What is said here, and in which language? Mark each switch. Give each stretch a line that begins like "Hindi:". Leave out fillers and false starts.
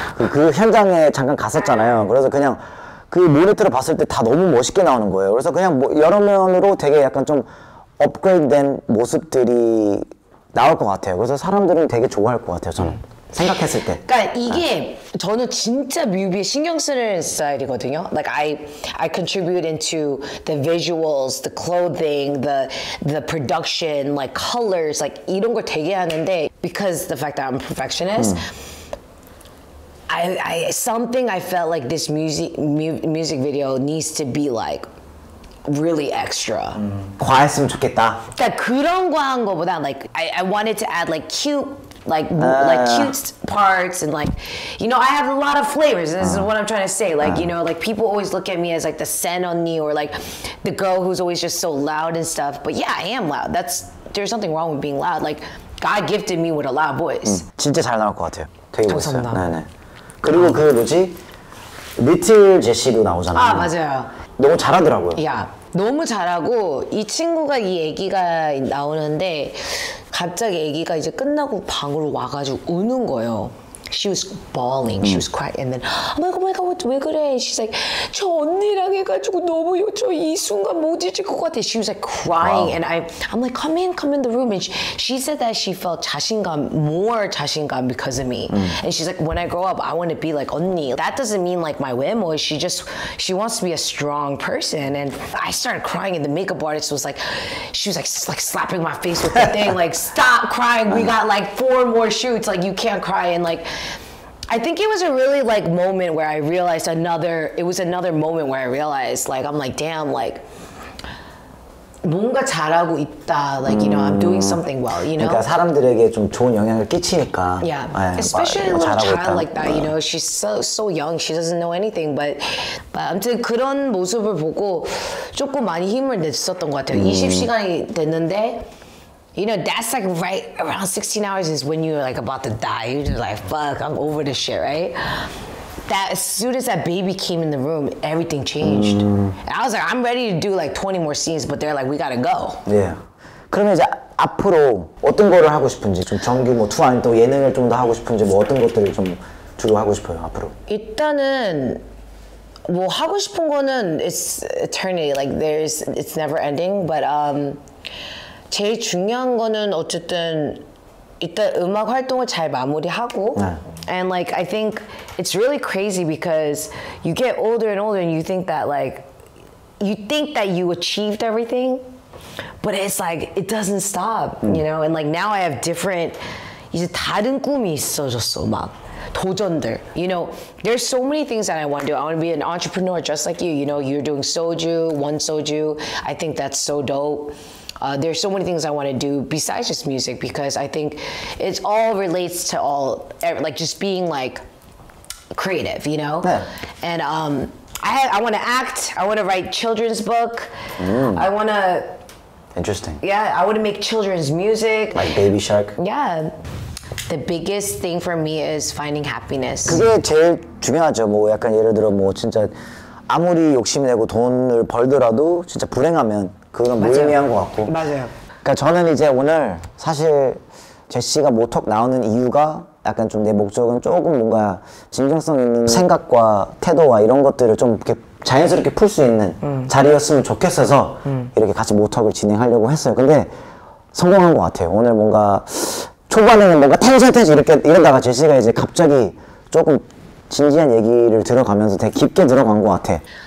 Korean: 그 현장에 잠깐 갔었잖아요. 그래서 그냥 그 모니터로 봤을 때 다 너무 멋있게 나오는 거예요. 그래서 그냥 뭐 여러 면으로 되게 약간 좀 업그레이드된 모습들이 나올 것 같아요. 그래서 사람들은 되게 좋아할 것 같아요. 저는 생각했을 때. 그러니까 이게 저는 진짜 뮤비에 신경 쓰는 스타일이거든요.
English: Like I contribute into the visuals, the clothing, the production, like colors, like
Korean: 이런 걸 되게 하는데
English: because the fact that I'm a perfectionist. I something I felt like this music video needs to be like really extra.
Korean: 과했으면 좋겠다. 그러니까 그런 과한 거보다
English: like I wanted to add like cute like cute parts and like you know I have a lot of flavors. This is what I'm trying to say. Like you know like people always look at me as like the sen onni or like the girl who's always just so loud and stuff. But yeah, I am loud. That's there's nothing wrong with being loud. Like God gifted me with a loud voice.
Korean: 진짜 잘 나올 것 같아요. 되게 멋있어요. 네네. 그리고 그 뭐지? 리틀 제시도 나오잖아요. 아, 맞아요. 너무 잘하더라고요. 야, 너무 잘하고 이 친구가 이 얘기가 나오는데 갑자기 얘기가 이제 끝나고 방으로 와가지고 우는 거예요.
English: She was bawling, she was crying, and then oh my god,
Korean: 왜 그래?
English: She's like,
Korean: 저 언니랑 해가지고 너무 저 이 순간 못 잊을 것 같아.
English: She was like crying, wow. And I'm like, come in the room. And she said that she felt 자신감, more 자신감 because of me. And she's like, when I grow up, I want to be like 언니. That doesn't mean like my whim, or she wants to be a strong person. And I started crying, and the makeup artist was like, she was like slapping my face with the thing, like, stop crying. We got like 4 more shoots. Like, you can't cry, and like. I think it was a really like moment where I realized another it was another moment where I realized like I'm like damn like
Korean: 뭔가 잘하고 있다
English: like you know I'm doing something well you know
Korean: 그러니까 사람들에게 좀 좋은 영향을 끼치니까
English: yeah 에, especially 막, a little child 있다. like that you know she's so young she doesn't know anything but
Korean: 아무튼 그런 모습을 보고 조금 많이 힘을 냈었던 것 같아요 20시간이 됐는데
English: You know, that's like right around 16 hours is when you're like about to die. You're just like, fuck, I'm over this shit, right? That as soon as that baby came in the room, everything changed. And I was like, I'm ready to do like 20 more scenes, but they're like, we gotta go. Yeah.
Korean: 그러면 이제 앞으로 어떤 거를 하고 싶은지, 좀 정규모 투 아니면 또 예능을 좀 더 하고 싶은지, 뭐 어떤 것들을 좀 주로 하고 싶어요, 앞으로? 일단은 뭐 하고 싶은 거는
English: it's eternity. Like there's, it's never ending, but
Korean: 제일 중요한 거는 어쨌든 일단 음악 활동을 잘 마무리하고
English: and like I think it's really crazy because you get older and older and you think that like you think that you achieved everything but it's like it doesn't stop you know and like now I have different
Korean: 이제 다른 꿈이 있어졌어 막 도전들
English: you know there's so many things that I want to do I want to be an entrepreneur just like you you know you're doing soju one soju I think that's so dope there's so many things I want to do besides just music because I think it all relates to all like just being like creative, you know. Yeah. And I want to act. I want to write children's book. I want to. Interesting. Yeah, I want to make children's music. Like Baby Shark. Yeah. The biggest thing for me is finding happiness.
Korean: 그게 제일 중요하죠. 뭐 약간 예를 들어 뭐 진짜 아무리 욕심 내고 돈을 벌더라도 진짜 불행하면. 그건 무의미한 것 같고 맞아요 그러니까 저는 이제 오늘 사실 제시가 모어토크 나오는 이유가 약간 좀 내 목적은 조금 뭔가 진정성 있는 생각과 태도와 이런 것들을 좀 이렇게 자연스럽게 풀 수 있는 자리였으면 좋겠어서 이렇게 같이 모어토크를 진행하려고 했어요 근데 성공한 것 같아요 오늘 뭔가 초반에는 뭔가 텐션 이렇게 이러다가 제시가 이제 갑자기 조금 진지한 얘기를 들어가면서 되게 깊게 들어간 것 같아